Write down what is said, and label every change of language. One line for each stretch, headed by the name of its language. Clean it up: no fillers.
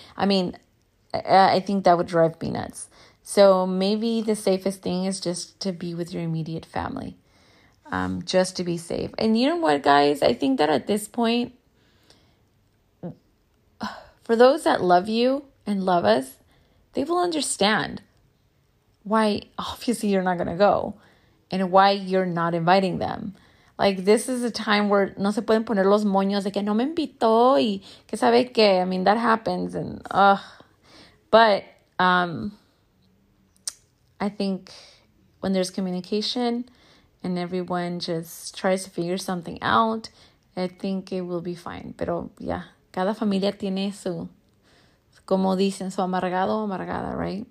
English: I mean, I think that would drive me nuts. So maybe the safest thing is just to be with your immediate family, just to be safe. And you know what, guys? I think that at this point, for those that love you and love us, they will understand why obviously you're not going to go and why you're not inviting them. Like, this is a time where
Spanish: no se pueden poner los moños de que no me invitó y que sabe que.
English: I mean, that happens and ugh. But I think when there's communication and everyone just tries to figure something out, I think it will be fine.
Spanish: Pero, yeah, cada familia tiene su, como dicen, su amargado, amargada, right?